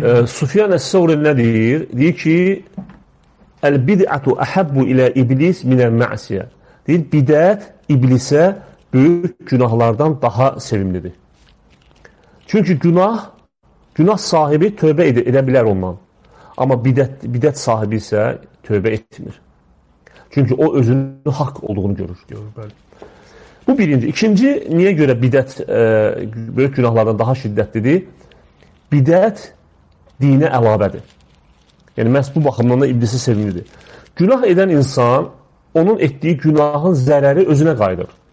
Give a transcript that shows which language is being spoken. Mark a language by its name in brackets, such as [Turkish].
[Azerbaijani] Sufyan Əs-Səvri nə deyir? Deyir ki, [Arabic] Əl-bid'ətu əhəbbu ilə iblis minəl məsiyyə. [Azerbaijani] Deyir, bidət iblisə böyük günahlardan daha sevimlidir. Çünki günah sahibi tövbə edə bilər ondan. Amma bidət sahibi isə tövbə etmir. Çünki o özünün haqq olduğunu görür. Görür, bəli. Bu birinci. İkinci, niyə görə bidət böyük günahlardan daha şiddətlidir? Bidət dinə əlavədir. Yəni, məhz bu baxımdan da iblisi sevimlidir. Günah edən insan onun etdiyi günahın zərəri özünə qayıdır.